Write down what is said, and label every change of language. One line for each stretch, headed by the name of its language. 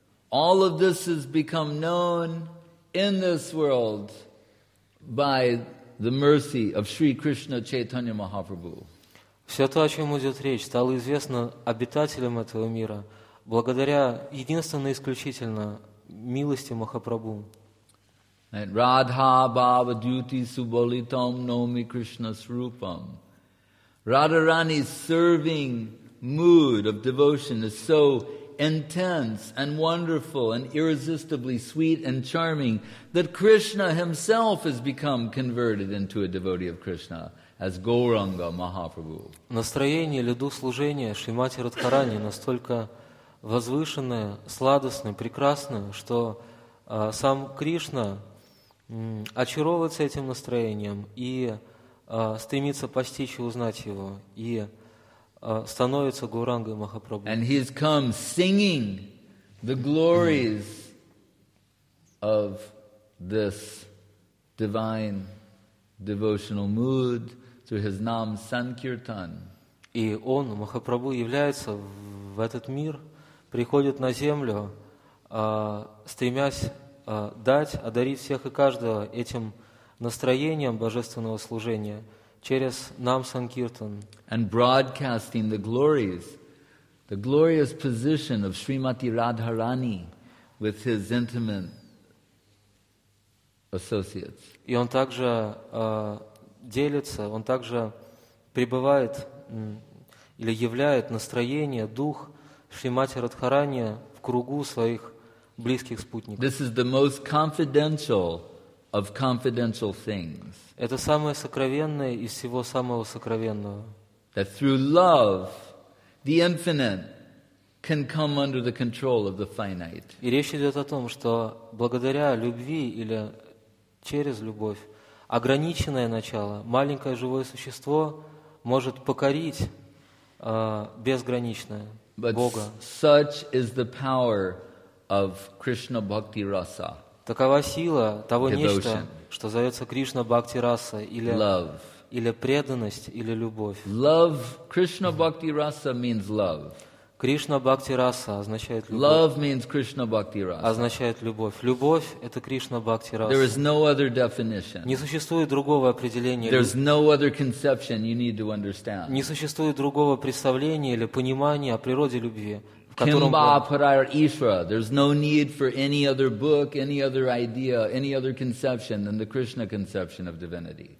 English: All of this has become known in this world by the mercy of Sri Krishna Chaitanya Mahaprabhu.
Russian: Все то, о чем идет речь, стало известно обитателям этого мира благодаря единственно и исключительно милости Махапрабху.
Sanskrit: Radha Bhava Dyuti Subalitam Nomi Krishna Srupam.
English: Radharani's serving mood of devotion is so intense and wonderful and irresistibly sweet and charming that Krishna himself has become converted into a devotee of Krishna as Gauranga Mahaprabhu.
Russian: Настроение или дух служения Шримати Радхарани настолько возвышенное, сладостное, прекрасное, что сам Кришна очаровывается этим настроением и стремится постичь и узнать его, и становится Гаурангой Махапрабху.
English: And he's come singing the glories of this divine devotional mood through his Nam Sankirtan.
Russian: И он, Махапрабху, является в этот мир, приходит на землю, стремясь дать, одарить всех и каждого этим настроением божественного служения через Нам Санкиртан.
English: And broadcasting the glorious position of Srimati Radharani with his intimate associates.
Russian: И он также делится, он также пребывает или являет настроение, дух Шримати Радхарани в кругу своих близких спутников.
English: This is the most confidential of confidential things.
Russian: Это самое сокровенное из всего самого сокровенного.
English: That through love, the infinite can come under the control of the finite.
Russian: И речь идет о том, что благодаря любви или через любовь ограниченное начало, маленькое живое существо может покорить безграничное Бога.
English: But such is the power of Krishna Bhakti Rasa.
Russian: Такова сила того нечто, что зовется Кришна Бхакти Раса, или
English: love.
Russian: Или преданность, или любовь.
English: Love, Krishna Bhakti Rasa means love.
Russian: Кришна Бхакти Раса означает любовь.
English: Love means Krishna Bhakti Rasa.
Russian: Означает любовь. Любовь – это Кришна Бхакти Раса.
English: There is no other definition.
Russian: Не существует другого определения.
English: There is no other conception you need to understand.
Russian: Не существует другого представления или понимания о природе любви.
Sanskrit: Kimba Parar Ishra.
English: There's no need for any other book, any other idea, any other conception than the Krishna conception of divinity.